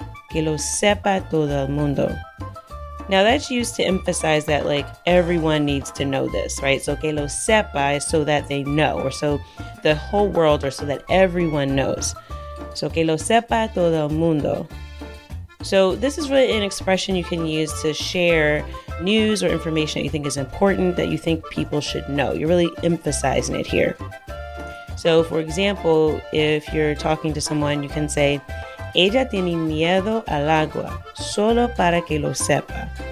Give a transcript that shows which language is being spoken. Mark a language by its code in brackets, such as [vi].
[es] Que lo sepa todo el mundo. [en] Now that's used to emphasize that like everyone needs to know this, right? So [es] que lo sepa [en] is so that they know, or so the whole world, or so that everyone knows. [es] So que lo sepa todo el mundo. [en] So this is really an expression you can use to share news or information that you think is important that you think people should know. You're really emphasizing it here. So, for example, if you're talking to someone, you can say, [es] ella tiene miedo al agua, solo para que lo sepa.